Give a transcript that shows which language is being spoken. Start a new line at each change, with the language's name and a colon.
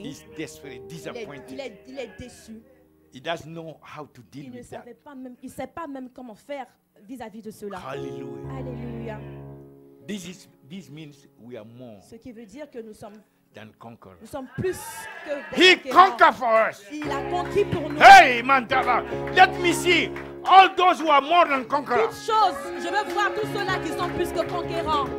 English: He's desperate, disappointed.
French: Il est déçu.
English: He doesn't know how to deal
French: il
English: with that.
French: Pas même, il ne sait pas même comment faire vis-à-vis de cela.
English: Hallelujah.
French: Alléluia.
English: This means we are more.
French: Ce qui veut dire que nous sommes
English: than conquer.
French: Nous sommes plus que
English: he conquered for us.
French: Il a conquis pour nous.
English: Hey, Mantava, let me see all those who are more than conquerors.
French: Toutes choses, je veux voir tous ceux-là qui sont plus que conquérants.